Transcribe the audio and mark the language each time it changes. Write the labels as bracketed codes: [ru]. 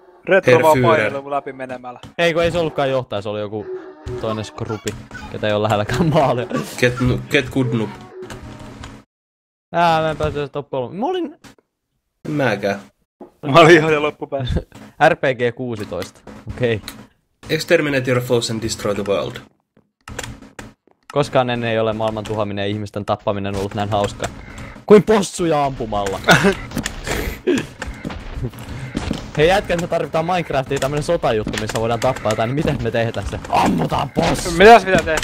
[fi] Retro vaan painoilu läpi menemällä. Eiku, ei se ollutkaan johtaja, se oli joku toinen skrupi, ketä ei oo lähelläkään maalia. Ket kudnup? Mä en päässyt top 3. Mä olin... En mäkään. Mä olin ihan jo loppupäässä. RPG 16. Okei. [en] Okay. Exterminate your foes and destroy the world. [fi] Koskaan ennen ei ole maailman tuhaminen ja ihmisten tappaminen ollut näin hauska. Kuin possuja ampumalla. Hei jätkät, me tarvitaan Minecraftiin tämmönen sotajuttu, missä voidaan tappaa jotain, niin miten me tehdään se? Ammutaan possu! Mitäs pitää tehdä?